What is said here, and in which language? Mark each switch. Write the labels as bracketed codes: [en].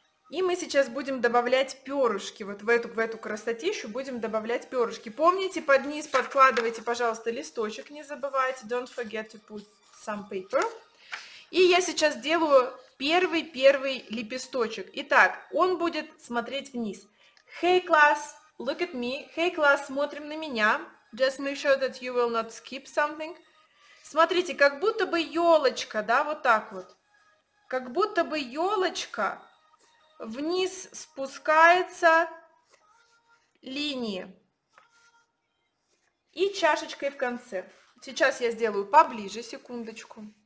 [ru] И мы сейчас будем добавлять перышки. Вот в эту красотищу будем добавлять перышки. Помните, под низ подкладывайте, пожалуйста, листочек, не забывайте. [en] Don't forget to put some paper. [ru] И я сейчас делаю первый лепесточек. Итак, он будет смотреть вниз. [en] Hey, class, look at me. Hey, class, [ru] смотрим на меня. [en] Just make sure that you will not skip something. [ru] Смотрите, как будто бы елочка, да, вот так вот. Как будто бы елочка. Вниз спускается линии. И чашечкой в конце. Сейчас я сделаю поближе, секундочку.